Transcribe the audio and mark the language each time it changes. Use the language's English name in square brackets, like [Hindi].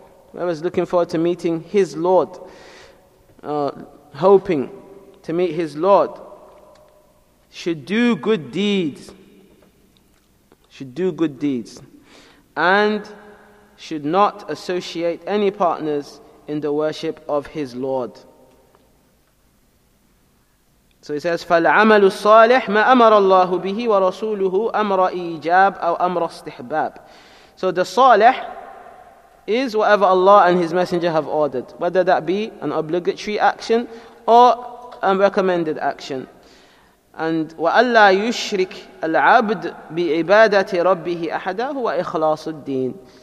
[English] Whoever is looking forward to meeting his Lord, hoping to meet his Lord, should do good deeds. Should do good deeds. And should not associate any partners in the worship of his Lord. So he says, [Arabic] فَالْعَمَلُ الصَّالِحُ مَا أَمَرَ اللَّهُ بِهِ وَرَسُولُهُ أَمْرَ إِيجَابٍ أَوْ أَمْرَ اسْتِحْبَابٍ. [English] So the salih is whatever Allah and His Messenger have ordered, whether that be an obligatory action or a recommended action. [Arabic] And وَأَلَّا يُشْرِكْ الْعَبْدُ بِعِبَادَةِ رَبِّهِ أَحَدًا هُوَ إِخْلَاصُ الدِّينِ.